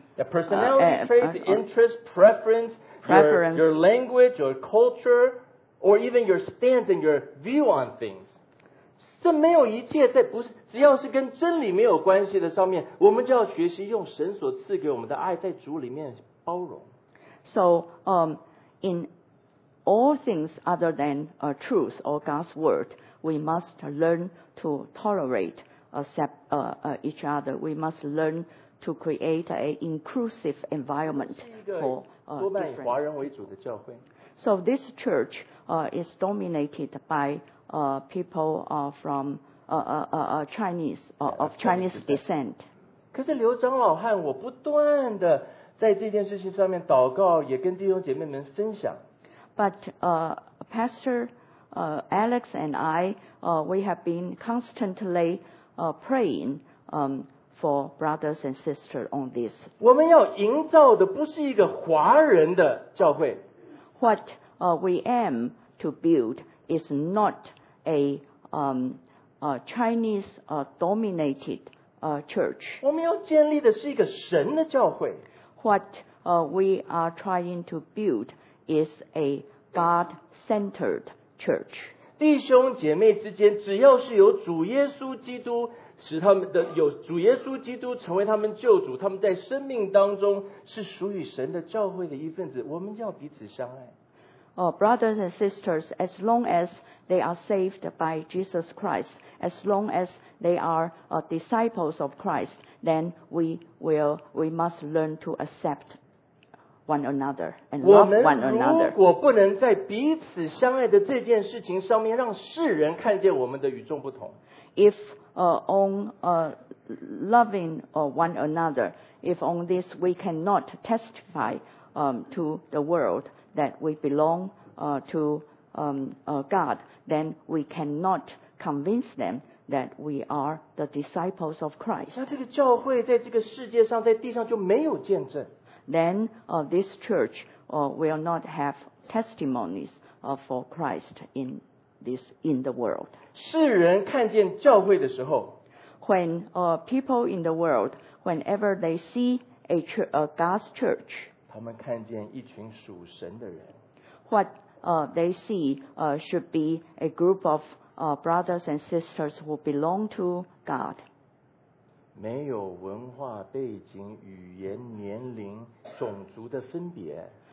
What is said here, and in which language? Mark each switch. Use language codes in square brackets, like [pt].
[en] personality traits, interest, preference,Your language, your culture, or even your stance and your view on things. [zh] 这没有一切在不是只要是跟真理没有关系的上面，我们就要学习用神所赐给我们的爱在主里面包容。 [en] So, in all things other than truth or God's word, we must learn to tolerate, accept each other. We must learn to create an inclusive environment for. [zh] 多半以华人为主的教会。 [en] So this church is dominated by people from Chinese of Chinese descent. [zh] 可是刘长老和我不断的在这件事情上面祷告，也跟弟兄姐妹们分享。 [en] But Pastor Alex and I, we have been constantly praying. For brothers and sisters on this. [zh] 我们要营造的不是一个华人的教会。 [en] What we aim to build is not a Chinese dominated church. [zh] 我们要建立的是一个神的教会。 [en] What we are trying to build is a God-centered church. [zh] 弟兄姐妹之间，只要是有主耶稣基督使他们的有主耶稣基督成为他们救主，他们在生命当中是属于神的教会的一份子。我们要彼此相爱。 [en] Brothers and sisters, as long as they are saved by Jesus Christ, as long as they are disciples of Christ, then we must learn to accept one another and love one another. [zh] 我们如果不能在彼此相爱的这件事情上面让世人看见我们的与众不同， [en] if on loving one another, if on this we cannot testify to the world that we belong to God, then we cannot convince them that we are the disciples of Christ. [zh] 那这个教会在这个世界上，在地上就没有见证。 [en] Then this church will not have testimonies for Christ in the world. [zh] 世人看见教会的时候， [en] when people in the world, whenever they see a God's church, [zh] 他们看见一群属神的人。 [en] What they see should be a group of brothers and sisters who belong to God. [zh] 没有文化背景、语言、年龄、种族的分别。